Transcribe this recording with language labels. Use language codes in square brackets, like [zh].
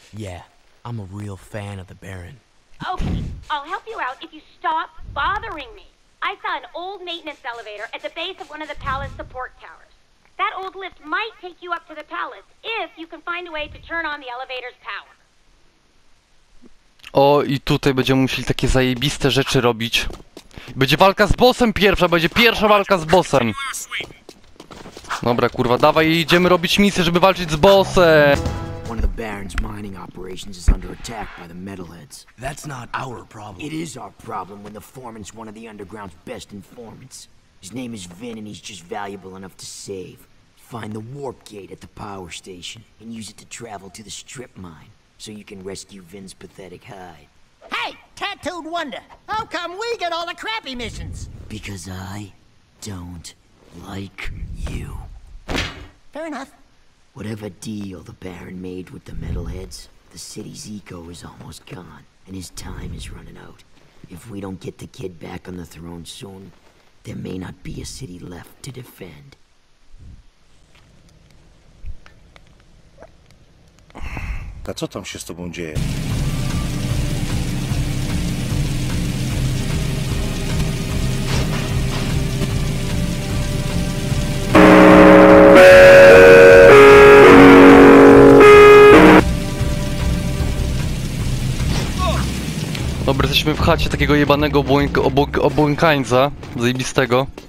[en] Yeah, I'm a real fan of the Baron. Okay, I'll help you out if you stop bothering me. I saw an old maintenance elevator at the base of one of the palace support towers. That old lift might take you up to the palace if you can find a way to turn on the elevator's power. [pl] O, i tutaj będziemy musieli takie zajebiste rzeczy robić. Będzie walka z bossem pierwsza, będzie pierwsza walka z bossem. Dobra, kurwa, dawaj, idziemy robić misję, żeby walczyć z bossem. [en] One of the Baron's mining operations is under attack by the metalheads. That's not our problem. It is our problem when the foreman's one of the underground's best informants. His name is Vin and he's just valuable enough to save. Find the warp gate at the power station and use it to travel to the strip mine so you can rescue Vin's pathetic hide. Hey, tattooed wonder, how come we get all the crappy missions? Because I don't like you. Fair enough. Whatever deal the Baron made with the metalheads, the city's eco is almost gone, and his time is running out. If we don't get the kid back on the throne soon, there may not be a city left to defend. [pl] A co tam się z tobą dzieje? Dobra, jesteśmy w chacie takiego jebanego obłąkańca, zajebistego.